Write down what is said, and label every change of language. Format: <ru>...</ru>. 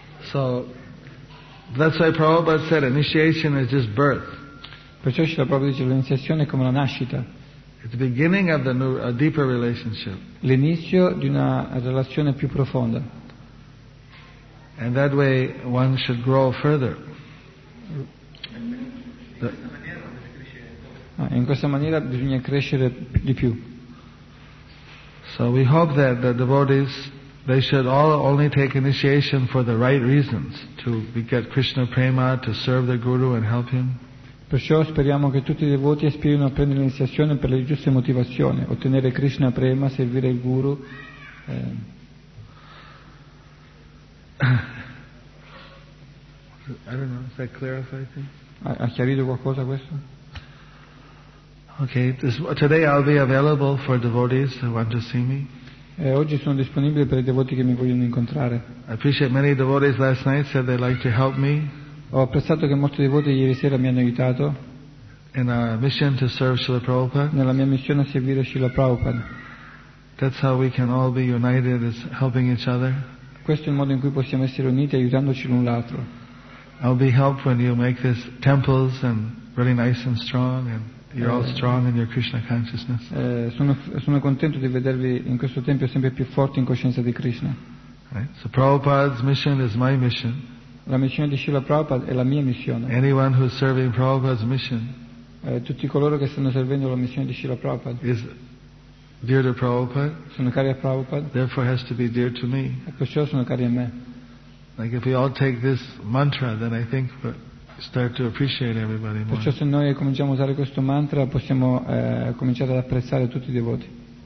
<en>So that's why Prabhupada said initiation is just birth.</en> <it>Perciò Srila Prabhupada dice l'iniziazione è come la nascita.</it> <en>It's the beginning of the new, a deeper relationship.</en> <it>L'inizio di una relazione più profonda.</it> <en>And that way one should grow further.</en> <it>In questa maniera bisogna crescere di più.</it> <en>So we hope that the devotees, they should all only take initiation for the right reasons, to get Krishna prema, to serve the guru and help him.</en> <it>Perciò speriamo che tutti i devoti aspirino a prendere l'iniziazione per le giuste motivazioni, ottenere Krishna prema, servire il guru.</it> <en>I don't know, does that clarify things?</en> <it>Ha chiarito qualcosa questo?</it> <en>Okay, today I'll be available for devotees who want to see me.</en> <it>Oggi sono disponibile per i devoti che mi vogliono incontrare.</it> <en>I appreciate many devotees last night said they'd like to help me.</en> <it>Ho apprezzato che molti devoti ieri sera mi hanno aiutato.</it> <en>In a mission to serve Srila Prabhupada.</en> <it>Nella mia missione a servire Srila Prabhupada.</it> <en>That's how we can all be united, is helping each other.</en> <it>Questo è il modo in cui possiamo essere uniti aiutandoci l'un l'altro.</it> <en>I'll be helped when you make these temples and really nice and strong and you're all strong in your Krishna consciousness.</en> <it>Sono contento di vedervi in questo tempio sempre più forti in coscienza di Krishna.</it> <en>Right? So Prabhupada's mission is my mission.</en> <it>La missione di Srila Prabhupada è la mia missione.</it> <en>Anyone who's serving Prabhupada's mission,</en> <it>tutti coloro che stanno servendo la missione di Srila Prabhupada,</it> <en>is dear to Prabhupada.</en> <it>Sono cari a Prabhupada.</it> <en>Therefore, has to be dear to me.</en> <it>E perciò sono cari a me.</it> <en>Like if we all take this mantra, then I think we start to appreciate everybody more.</en> <it>Perciò se noi cominciamo a usare questo mantra, possiamo cominciare ad apprezzare tutti i devoti.</it>